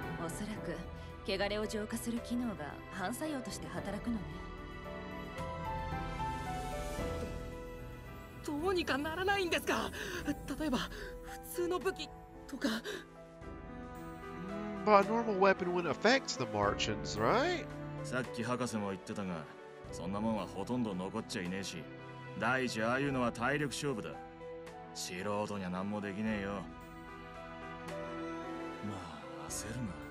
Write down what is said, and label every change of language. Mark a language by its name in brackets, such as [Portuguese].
[Japanese] おそらく汚れを浄化する機能が反作用として働くのね。うにかならないんですか？例えば普通の武器とか。 [English] But a normal weapon wouldn't affect the Marchens, right? [Japanese] さっき博士も言ってたが、そんなもんはほとんど残っちゃいねえし、第一ああいうのは体力勝負だ。素人には何もできねえよ。まあ焦るな。